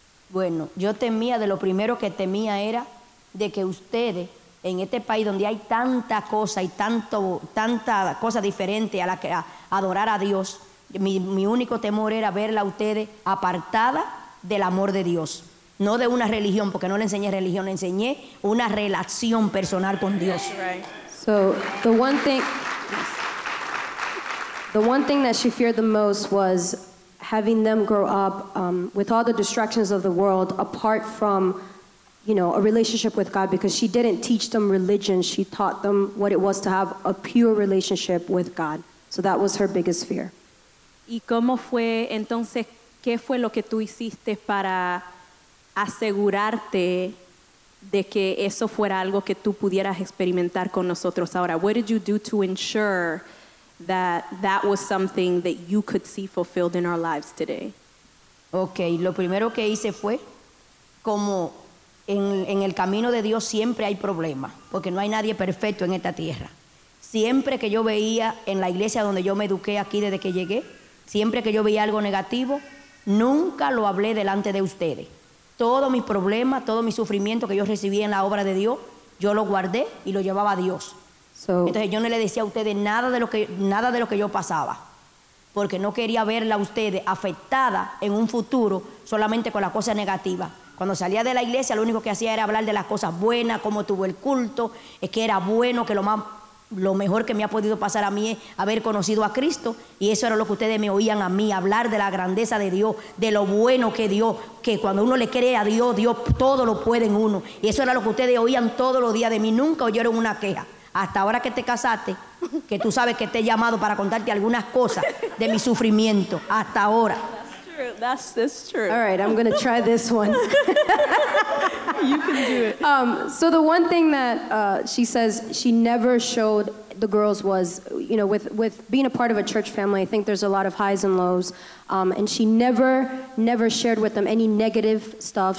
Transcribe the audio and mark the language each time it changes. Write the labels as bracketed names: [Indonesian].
[Spanish] Bueno, yo temía de lo primero que temía era de que ustedes, en este país donde hay tanta cosa y tanta cosa diferente a la que adorar a Dios, mi único temor era verla a ustedes apartada del amor de Dios, no de una religión, porque no le enseñé religión, le enseñé una relación personal con Dios. [English] So, the one thing The one thing that she feared the most was having them grow up with all the distractions of the world apart from, you know, a relationship with God, because she didn't teach them religion. She taught them what it was to have a pure relationship with God. So that was her biggest fear. [Spanish] ¿Y cómo fue entonces, qué fue lo que tú hiciste para asegurarte de que eso fuera algo que tú pudieras experimentar con nosotros ahora? [English] What did you do to ensure that that was something that you could see fulfilled in our lives today? [Spanish] Okay, lo primero que hice fue, como en el camino de Dios siempre hay problemas, porque no hay nadie perfecto en esta tierra. Siempre que yo veía en la iglesia donde yo me eduqué aquí desde que llegué, siempre que yo veía algo negativo, nunca lo hablé delante de ustedes. Todos mis problemas, todo mi sufrimiento que yo recibí en la obra de Dios, yo lo guardé y lo llevaba a Dios. So, entonces yo no le decía a ustedes nada de lo que yo pasaba, porque no quería verla a ustedes afectada en un futuro solamente con las cosas negativas. Cuando salía de la iglesia, lo único que hacía era hablar de las cosas buenas, cómo tuvo el culto, es que era bueno, que lo mejor que me ha podido pasar a mí es haber conocido a Cristo, y eso era lo que ustedes me oían a mí, hablar de la grandeza de Dios, de lo bueno que Dios, que cuando uno le cree a Dios, Dios todo lo puede en uno, y eso era lo que ustedes oían todos los días de mí. Nunca oyeron una queja. Hasta ahora que te casaste, que tú sabes que te he llamado para contarte algunas cosas de mi sufrimiento. Hasta ahora. [English] That's true. All right, I'm going to try this one. You can do it. So the one thing that she says she never showed the girls was, you know, with being a part of a church family, I think there's a lot of highs and lows. And she never shared with them any negative stuff.